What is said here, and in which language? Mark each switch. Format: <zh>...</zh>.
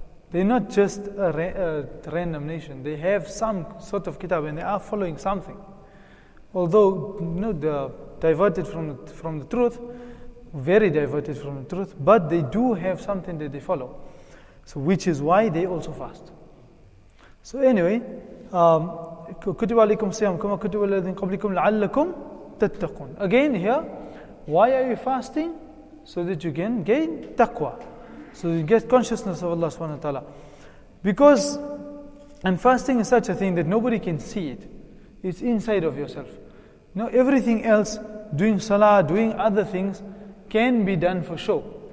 <en>They're not just a random nation. They have some sort of kitab and they are following something. Although, you know, they're diverted from the truth, very diverted from the truth, but they do have something that they follow. So, which is why they also fast. So anyway,</en> <ar>كُتِبَ عَلَيْكُمْ صِيَامُ كَمَا كُتِبَ الَّذِينَ قَبْلِكُمْ لَعَلَّكُمْ تَتَّقُونَ.</ar> <en>Again here, why are you fasting? So that you can gain taqwa. So you get consciousness of Allah subhanahu wa ta'ala. And fasting is such a thing that nobody can see it. It's inside of yourself. Now everything else, doing salah, doing other things, can be done for show.</en>